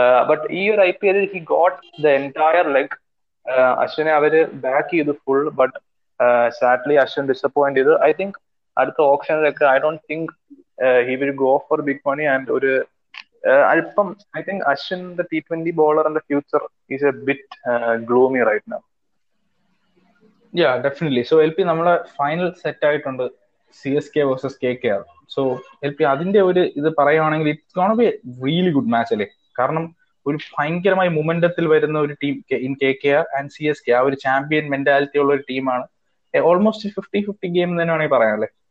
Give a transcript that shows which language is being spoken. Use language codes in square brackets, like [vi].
[ml] But ഈ ഒരു I P എല്ലിൽ [en] He got the entire leg. [ml] അശ്വിനെ അവര് ബാക്ക് ചെയ്തു full, but sadly Ashwin disappoint ചെയ്തു. [en] I think [ml] അടുത്ത ഓപ്ഷനിലൊക്കെ [en] I don't think he will go for big money. And [ml] ഒരു അല്പം [en] I think Ashwin the T20 ബോളറിന്റെ future is a bit gloomy right now. Yeah, definitely. [ml] So, LP, നമ്മളെ final set ആയിട്ടുണ്ട് CSK vs KKR. [en] so L P [ml] അതിന്റെ ഒരു ഇത് പറയുവാണെങ്കിൽ [en] It's gonna be really good match അല്ലേ. [ml] കാരണം ഒരു ഭയങ്കരമായ മൊമെന്റത്തിൽ വരുന്ന ഒരു team in KKR and CSK, ആ ഒരു ചാമ്പ്യൻ മെന്റാലിറ്റി ഉള്ള ഒരു ടീമാണ്. ഓൾമോസ്റ്റ് 50-50 ഗെയിം തന്നെ വേണമെങ്കിൽ പറയാനല്ലേ.